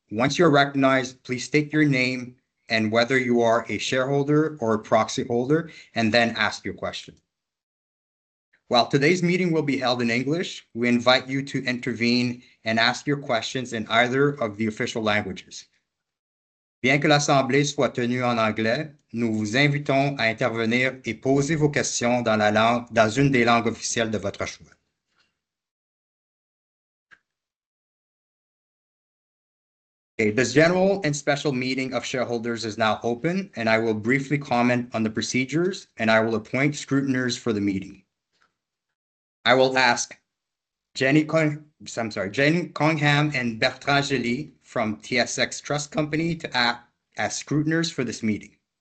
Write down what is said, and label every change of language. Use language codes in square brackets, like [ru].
[en] Once you're recognized, please state your name and whether you are a shareholder or a proxy holder, and then ask your question. While today's meeting will be held in English, we invite you to intervene and ask your questions in either of the official languages. [fr] Bien que l'assemblée soit tenue en anglais, nous vous invitons à intervenir et poser vos questions dans la langue dans une des langues officielles de votre choix. [en] Okay, this general and special meeting of shareholders is now open, and I will briefly comment on the procedures, and I will appoint scrutineers for the meeting. I will ask Jenny Cunningham and Bertrand Gély from TSX Trust Company to act as scrutineers for this meeting.